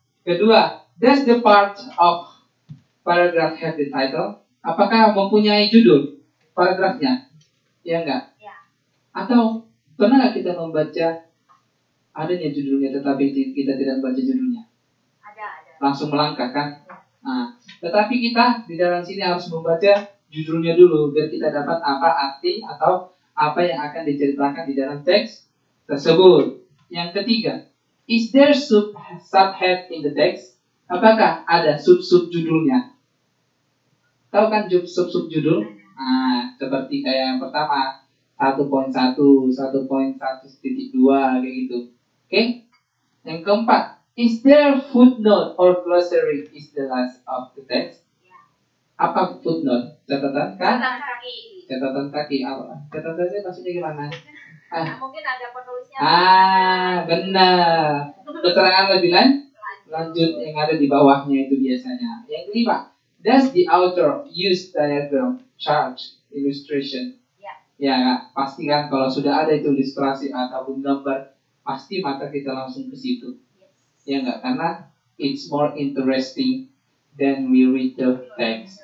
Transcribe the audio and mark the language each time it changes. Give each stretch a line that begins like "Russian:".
English: Kedua, does the part of paragraph have the title?
Indonesian: Apakah mempunyai judul paragrafnya? Ya enggak? Ya. Atau pernah enggak kita membaca adanya judulnya tetapi kita tidak membaca judulnya? Ada. Langsung melangkah kan? Ya. Nah, tetapi kita di dalam sini harus membaca judulnya dulu biar kita dapat apa arti atau apa yang akan diceritakan di dalam teks tersebut. Yang ketiga,
English: is there subhead in the text?
Indonesian: Apakah ada sub-sub judulnya? Tahu kan sub-sub judul? Nah, seperti kayak yang pertama 1.1, 1.1.2 kayak gitu. Oke. Okay? Yang keempat,
English: is there footnote or glossary is the last of the text?
Indonesian: Ya. Apa footnote? Catatan kan? Catatan kaki. Catatan kaki apa? Catatan kaki maksudnya gimana? Mungkin ada penulisnya. Ah, benar. Keterangan lebih lanjut yang ada di bawahnya itu biasanya. Yang kelima,
English: does the author use diagram, chart, illustration?
Indonesian: Ya. Ya, pasti kan kalau sudah ada itu ilustrasi ataupun gambar, pasti mata kita langsung ke situ.
English: Yes.
Indonesian: Ya enggak, karena
English: it's more interesting than we read the text.